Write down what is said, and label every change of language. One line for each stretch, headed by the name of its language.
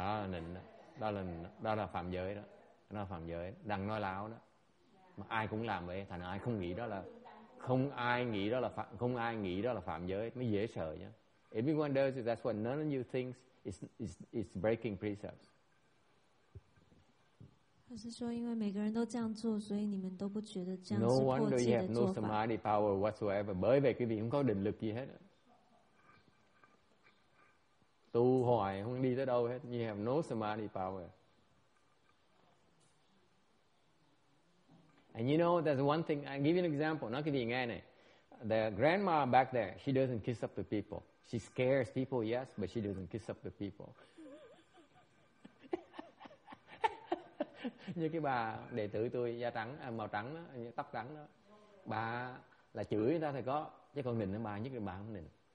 Vietnamese: Nịnh đó, đó là phạm giới đó, nó phạm giới, đang nói láo đó, mà ai cũng làm vậy, thành ai không nghĩ đó là, không ai nghĩ đó là phạm giới, mới dễ sợ nhá.
English: Everyone does it, that's what none of you thinks is breaking precepts.
Chinese: 就是说因为每个人都这样做，所以你们都不觉得这样是破戒的做法。No
English: wonder you have no samadhi power whatsoever.
Vietnamese: Bởi vì quý vị không có định lực gì hết. Tu hoài không đi tới đâu hết.
English: You have no samadhi power. And you know, there's one thing. I'll give you an example.
Vietnamese: Nói quý vị nghe này.
English: The grandma back there, she doesn't kiss up to people. She scares people, yes, but she doesn't kiss up to people.
Vietnamese: Như cái bà đệ tử tôi da trắng màu trắng đó, tóc trắng đó, bà là chửi người ta thì có, chứ còn nịnh bà nhất là bà không nịnh.